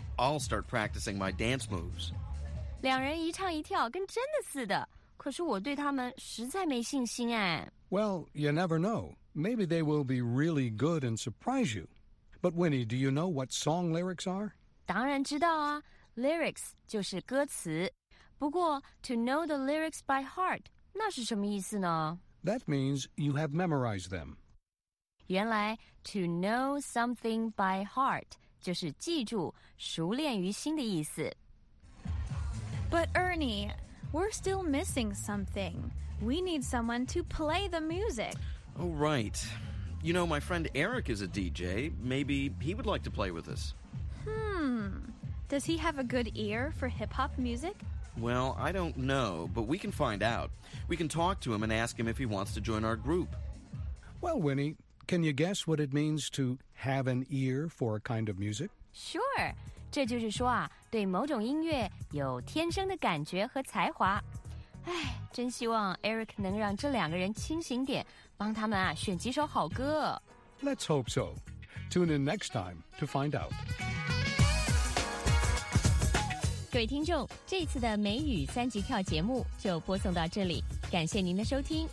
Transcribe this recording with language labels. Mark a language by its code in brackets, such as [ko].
[en] I'll start practicing my dance moves. [zh] 两人一唱一跳跟真的似的。可是我对他们实在没信心哎。 [en] Well, you never know. Maybe they will be really good and surprise you. But Winnie, do you know what song lyrics are? [zh] 当然知道啊 ,lyrics 就是歌词。不过 , [en] to know the lyrics by heart, [zh] 那是什么意思呢? [en] That means you have memorized them. [zh] 原来 , [en] to know something by heart, [zh] 就是记住熟练于心的意思。 [en] But Ernie, we're still missing something. We need someone to play the music. Oh, right. You know, my friend Eric is a DJ. Maybe he would like to play with us. Does he have a good ear for hip-hop music? Well, I don't know, but we can find out. We can talk to him and ask him if he wants to join our group. Well, Winnie, can you guess what it means to have an ear for a kind of music? Sure. [zh] 这就是说啊，对某种音乐有天生的感觉和才华。唉，真希望 Eric 能让这两个人清醒点，帮他们啊选几首好歌。 [en] Let's hope so. Tune in next time to find out. [zh] 各位听众，这次的美语三级跳节目就播送到这里，感谢您的收听。